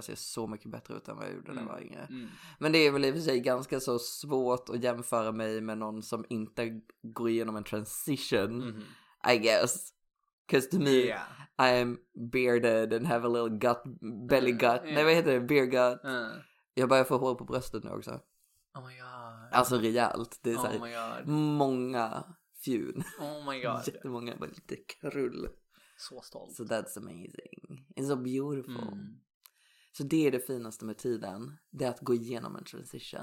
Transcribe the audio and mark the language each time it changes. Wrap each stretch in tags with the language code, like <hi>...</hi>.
<sv>Jag ser så mycket bättre ut än vad jag gjorde när jag var yngre. Men det är väl i och för sig ganska så svårt att jämföra mig med någon som inte går igenom en transition,</sv> <en>I guess. Because to me, I am bearded and have a little gut, belly gut.</en> <sv>Nej, vad heter det? Beer gut. Jag börjar få hår på bröstet nu också.</sv> <en>Oh my god.</en> <sv>Alltså rejält. Det är oh så my god. Många fjun.</sv> <en>Oh my god.</en> <sv>Jättemånga, bara lite krull. Så stolt.</sv> <en>So that's amazing. It's so beautiful. Mm.</en> <sv>Så det är det finaste med tiden. Det är att gå igenom en transition.</sv>